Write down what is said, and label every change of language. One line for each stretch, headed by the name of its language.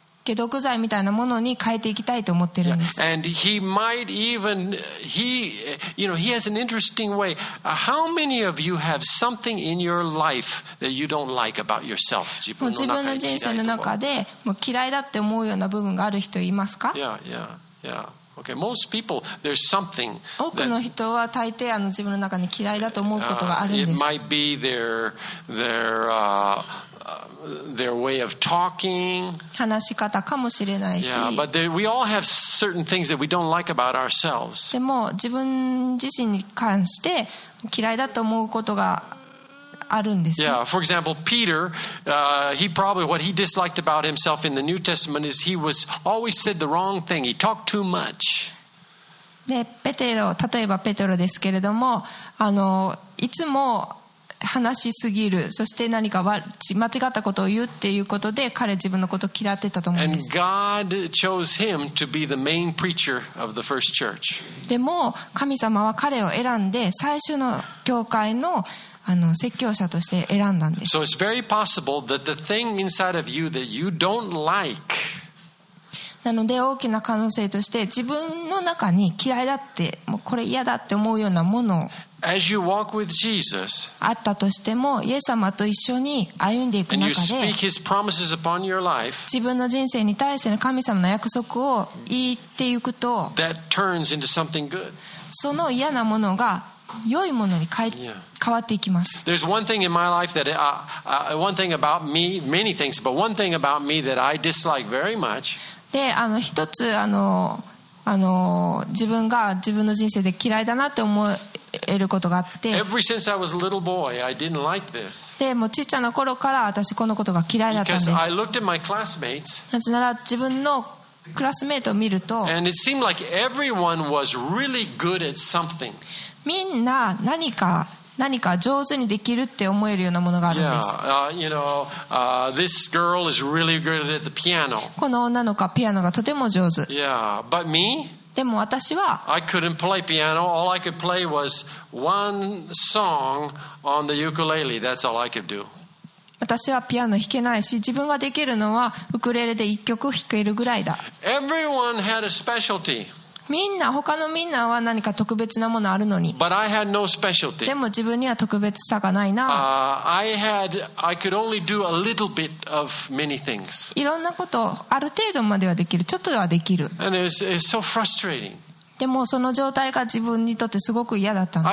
Japanese: 解毒剤みたいなものに変えていきたいと思ってるんです。
English: Yeah. And he might even he you know he has an interesting way. How many of you have something in your life that you don't like about yourself?
Japanese: 自分の人生の中でもう嫌いだって思うような部分がある人いますか？
English: Yeah, yeah, yeah. Okay, most people, there's something that,
Japanese: 多くの人は大抵あの自分の中に嫌いだと思うことがあるんです。
English: It might be their way of talking.
Japanese: 話し方かもしれないし。
English: Yeah, but there, we all have certain things that we don't like about ourselves.
Japanese: でも自分自身に関して嫌いだと思うことがあるんですね。
English: Yeah, for example, Peter, he probably what he disliked about himself in the New Testament is he was always said the wrong thing. He talked too much.
Japanese: で、ペテロ、例えばペテロですけれども、いつも話しすぎる、そして何か間違ったことを言うっていうことで彼自分のことを嫌ってたと思うんです。
English: And God chose him to be the main preacher of the first church.
Japanese: でも神様は彼を選んで最初の教会の説教者として選んだんです。
English: So it's very possible that the thing inside of you that you don't like.
Japanese: なので大きな可能性として自分の中に嫌いだってもうこれ嫌だって思うようなものを。
English: As you walk with Jesus.
Japanese: あったとしてもイエス様と一緒に歩んでいく中で。
English: And you speak His promises upon your life.
Japanese: 自分の人生に対しての神様の約束を言っていくと。
English: That turns into something good.
Japanese: その嫌なものが良いものに変わっていきます。
English: There's one thing in my life that one thing about me, many things, but one thing about me that I dislike very much.
Japanese: で、一つ自分が自分の人生で嫌いだなって思えることがあって。
English: Ever since I was a little boy, I didn't like this.
Japanese: で、もちっちゃな頃から私このことが嫌いだったんです。
English: Because I looked at my classmates.
Japanese: なぜなら自分のクラスメートを見ると。
English: And it seemed like everyone was really good at something.
Japanese: みんな何か上手にできるって思えるようなものがあるんです。
English: Yeah, you know, this girl is really good at the piano.
Japanese: この女の子はピアノがとても上手。
English: Yeah, but me?
Japanese: でも私は
English: I couldn't play piano. All I could play was one song on the ukulele. That's all I could do.
Japanese: 私はピアノ弾けないし、自分ができるのはウクレレで一曲弾けるぐらいだ。
English: Everyone had a specialty.
Japanese: みんな他のみんなは何か特別なものあるのに、
English: But I had no specialty.
Japanese: でも自分には特別さがないな。
English: I could only do a little bit of many things.
Japanese: いろんなことある程度まではできる、ちょっとはできる。
English: And it's so frustrating.
Japanese: でもその状態が自分にとってすごく嫌だったんです。